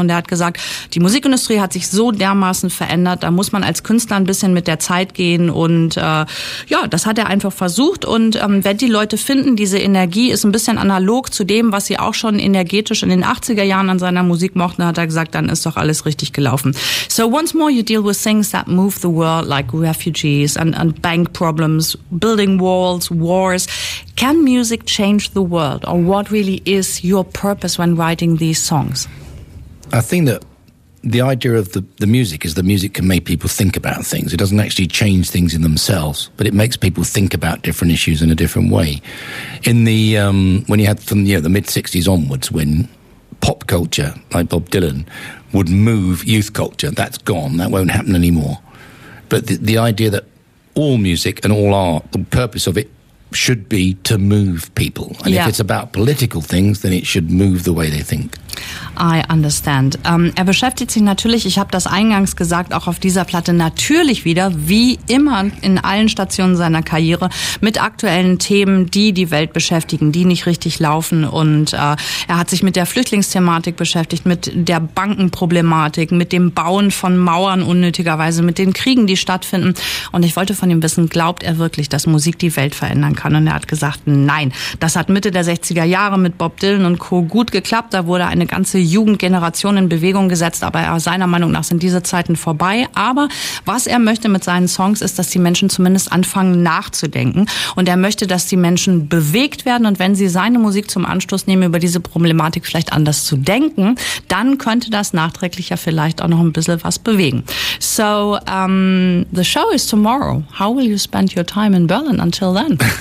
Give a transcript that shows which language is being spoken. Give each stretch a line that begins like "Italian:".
German: Und er hat gesagt, die Musikindustrie hat sich so dermaßen verändert, da muss man als Künstler ein bisschen mit der Zeit gehen, und ja, das hat er einfach versucht. Und wenn die Leute finden, diese Energie ist ein bisschen analog zu dem, was sie auch schon energetisch in den 80er Jahren an seiner Musik mochten, hat er gesagt, dann ist doch alles richtig gelaufen.
English: So once more you deal with things that move the world, like refugees and bank problems, building walls, wars. Can music change the world? Or what really is your purpose when writing these songs? I think that the idea of the music is the music can make people think about things. It doesn't actually change things in themselves, but it makes people think about different issues in a different way. In the when you had from the mid-60s onwards, when pop culture, like Bob Dylan, would move youth culture, that's gone. That won't happen anymore. But the idea that all music and all art, the purpose of it should be to move people. And yeah, if it's about political things, then it should move the way they think. I understand.
German: Er beschäftigt sich natürlich, ich habe das eingangs gesagt, auch auf dieser Platte natürlich wieder, wie immer in allen Stationen seiner Karriere, mit aktuellen Themen, die die Welt beschäftigen, die nicht richtig laufen. Und er hat sich mit der Flüchtlingsthematik beschäftigt, mit der Bankenproblematik, mit dem Bauen von Mauern unnötigerweise, mit den Kriegen, die stattfinden. Und ich wollte von ihm wissen, glaubt er wirklich, dass Musik die Welt verändern kann? Und er hat gesagt, nein. Das hat Mitte der 60er Jahre mit Bob Dylan und Co. gut geklappt. Da wurde eine ganze Jugendgeneration in Bewegung gesetzt, aber seiner Meinung nach sind diese Zeiten vorbei. Aber was er möchte mit seinen Songs ist, dass die Menschen zumindest anfangen nachzudenken, und er möchte, dass die Menschen bewegt werden, und wenn sie seine Musik zum Anstoß nehmen, über diese Problematik vielleicht anders zu denken, dann könnte das nachträglich ja vielleicht auch noch ein bisschen was bewegen.
English: So, the show is tomorrow. How will you spend your time in Berlin until then?